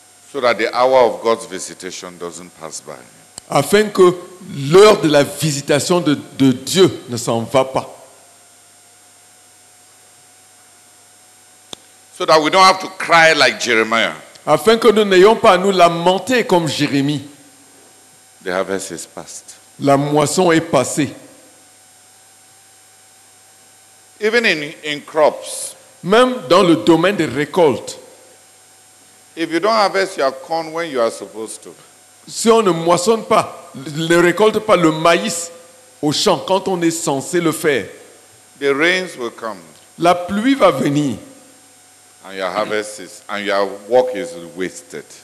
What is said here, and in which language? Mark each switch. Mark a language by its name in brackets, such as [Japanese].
[English] So that the hour of God's visitation doesn't pass by. [French] Afin que l'heure de la visitation de Dieu ne s'en va pas. [English] So that we don't have to cry like Jeremiah. [French] Afin que nous n'ayons pas à nous lamenter comme Jérémie. [English] The harvest is past. [French] La moisson est passée. [English] Even in crops. [French] Même dans le domaine des récoltes. [English] If you don't harvest your corn when you are supposed to. [French] Si on ne moissonne pas, ne récolte pas le maïs au champ quand on est censé le faire. [English] The rains will come. [French] La pluie va venir. [English] And your harvest is, and your work is wasted.